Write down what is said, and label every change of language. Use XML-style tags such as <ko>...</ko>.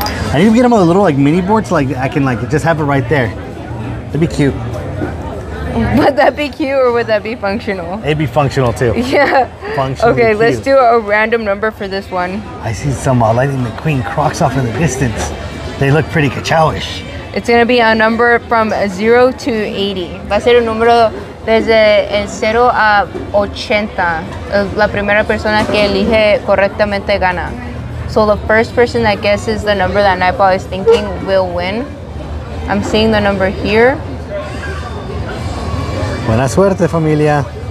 <en>I need to get him a little like mini board so like I can like just have it right there. That'd be cute. Would that be cute or would that be functional? It'd be functional too. Yeah. Functional. Okay, cute. Let's do a random number for this one. I see some Lightning McQueen Crocs off in the distance. They look pretty cachao-ish. It's gonna be a number from 0 to 80.</en> <es>Va a ser un número desde el 0 a 80. La primera persona que elige correctamente gana.</es> <en>So the first person that guesses the number that Nightball is thinking will win. I'm seeing the number here.</en> <es>Buena suerte, familia.</es>